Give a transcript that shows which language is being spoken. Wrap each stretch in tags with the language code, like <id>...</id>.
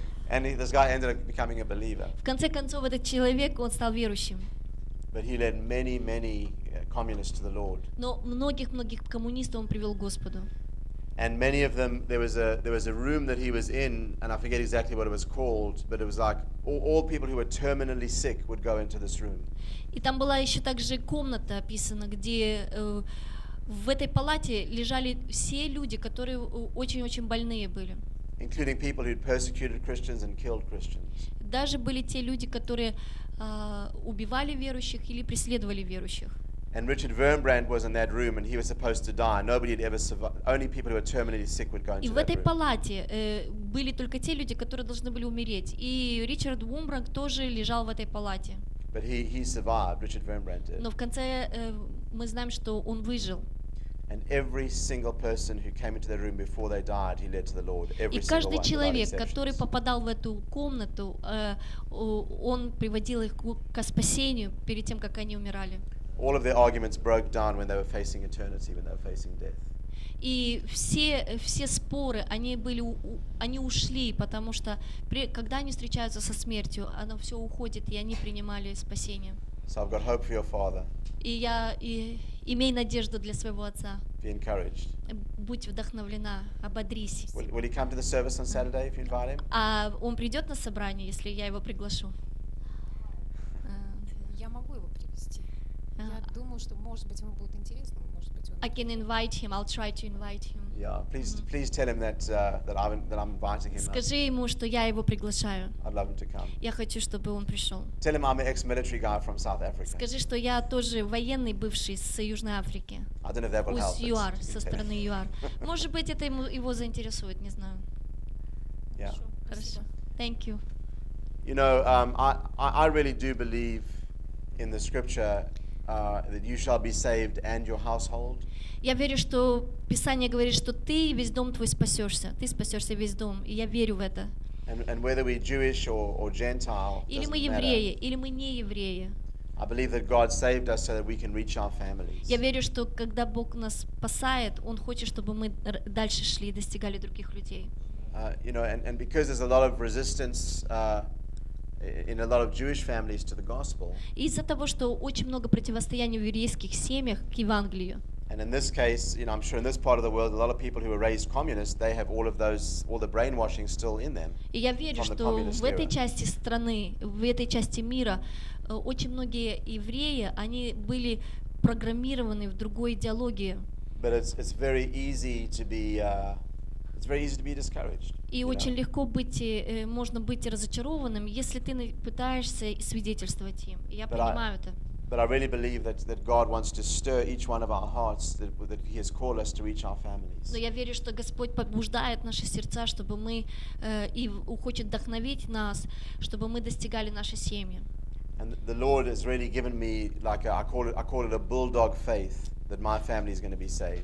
<en>And this guy ended up becoming a believer.</en> <ru>В конце концов, этот человек, он стал верующим.</ru> <en>But he led many communists to the Lord.</en> <ru>Но многих коммунистов он привел к Господу.</ru> <en>And many of them, there was a room that he was in, and I forget exactly what it was called, but it was like all people who were terminally sick would go into this room.</en> <ru>И там была еще также комната описана, где в этой палате лежали все люди, которые очень больные были.</ru> <en>Including people who persecuted Christians and killed Christians.</en> <ru>Даже были те люди, которые убивали верующих или преследовали верующих.</ru> <en>And Richard Wurmbrand was in that room and he was supposed to die. Nobody had ever survived. Only people who were terminally sick would go into that room.</en> <ru>И в этой палате были только те люди, которые должны были умереть. И Ричард Вурмбранд тоже лежал в этой палате.</ru> <en>But he survived, Richard Wurmbrand did.</en> <ru>Но в конце мы знаем, что он выжил.</ru> <en>And every single person who came into the room before they died, he led to the Lord. Every single one.</en> <ru>И каждый человек, который попадал в эту комнату, он приводил их к спасению перед тем, как они умирали.</ru> <en>All of their arguments broke down when they were facing eternity, when they were facing death.</en> <ru>И все споры, они ушли, потому что когда они встречаются со смертью, оно все уходит, и они принимали спасение.</ru> <en>So I've got hope for your father.</en> <ru>И имей надежду для своего отца.</ru> <en>Be encouraged.</en> <ru>Будь вдохновлена, ободрись.</ru> <en>Will he come to the service on Saturday if you invite him?</en> <ru>А он придет на собрание, если я его приглашу? Я могу его привести. Я думаю, что может быть ему будет интересно, может быть он.</ru> <en>I can invite him. I'll try to invite him. Yeah, please tell him that I'm inviting him.</en> <ru>Скажи ему, что я его приглашаю.</ru> <en>I'd love him to come.</en> <ru>Я хочу, чтобы он пришел.</ru> <en>Tell him I'm an ex-military guy from South Africa.</en> <ru>Скажи, что я тоже военный бывший с Южной Африки.</ru> <en>I don't know if that will help.</en> <ru>UR, со стороны UR. Может быть, это ему его заинтересует, не знаю.</ru> <en>Yeah.</en> <ru>Хорошо.</ru> <en>Thank you. You know, I really do believe in the scripture. That you shall be saved and your household.</en> <ru>Я верю, что Писание говорит, что ты и весь дом твой спасешься. Ты спасешься весь дом, и я верю в это.</ru> <en>And whether we're Jewish or Gentile,</en> <ru>или мы евреи, или мы не евреи.</ru> <en>I believe that God saved us so that we can reach our families.</en> <ru>Я верю, что когда Бог нас спасает, Он хочет, чтобы мы дальше шли, достигали других людей.</ru> <en>You know, and because there's a lot of resistance. In a lot of Jewish families to the gospel.</en> <ru>Из-за того, что очень много противостояния в еврейских семьях к Евангелию.</ru> <en>And in this case, you know, I'm sure in this part of the world, a lot of people who were raised communists, they have all the brainwashing still in them.</en> <ru>И я верю, что в этой части страны, в этой части мира, очень многие евреи, они были программированы в другой идеологии.</ru> <en>But it's very easy to be. It's very easy to be discouraged.</en> <ru>И очень легко можно быть разочарованным, если ты пытаешься свидетельствовать им. Я понимаю это.</ru> <en>But I really believe that God wants to stir each one of our hearts, that He has called us to reach our families.</en> <ru>Но я верю, что Господь побуждает наши сердца, чтобы мы и хочет вдохновить нас, чтобы мы достигали наши семьи.</ru> <en>And the Lord has really given me like I call it a bulldog faith that my family is going to be saved.</en>